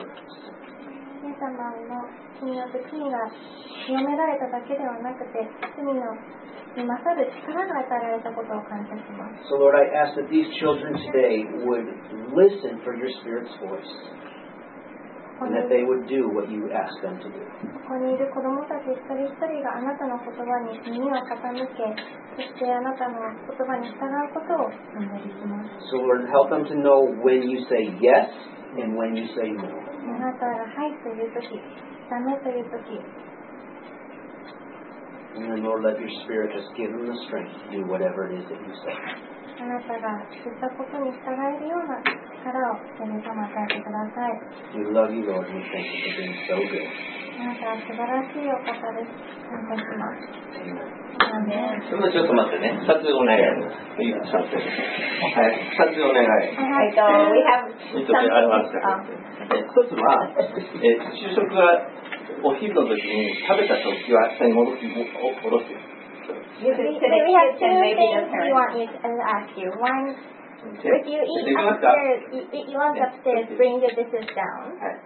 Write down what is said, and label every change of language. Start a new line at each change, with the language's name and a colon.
English: sin. So, Lord, I ask that these children today would listen for your Spirit's voice. And that they would do what you ask them to do.
Japanese: ここにいる子どもたち一人一人があなたの言葉に耳を傾け、そしてあなたの言葉に従うことをお願いします。
English: So Lord, help them to know when you say yes and when you say no.
Japanese: あなたがはいというとき、ダメというとき。
English: And then Lord, let your Spirit just give them the strength to do whatever it is that you say.
Japanese: あなたが言ったことに従えるような力を神様に与えてください。
English: We love you, Lord. We thank you for being so good.
Japanese: あなたは素晴らしいお方です。感謝します。ちょっと待ってね。撮影お願いします。はい。撮影お願い。はい。
English: We have something.
Japanese: 一つは、就職がお昼の時に食べた時は下に戻す。
English: We have two things we want you to ask you. One, if you eat upstairs, if you want upstairs, bring your dishes down.